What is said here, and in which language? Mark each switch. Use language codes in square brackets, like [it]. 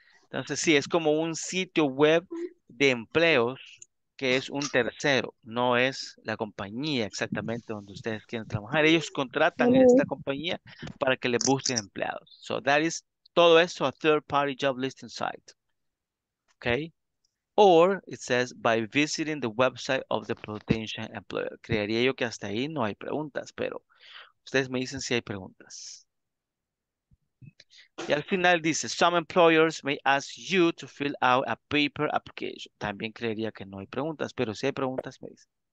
[es] Entonces, sí, es como un sitio web de empleos que es un tercero. No es la compañía exactamente donde ustedes quieren trabajar. Ellos contratan a esta compañía para que le busquen empleados. [en] So that is, [es] todo eso, [en] a third-party job listing site. Okay. Or, it says, by visiting the website of the potential employer. [es] Creería yo que hasta ahí no hay preguntas, pero ustedes me dicen si hay preguntas. Y al final dice, [en] some employers may ask you to fill out a paper application. [es] También creería que no hay preguntas, pero si hay preguntas, me dicen.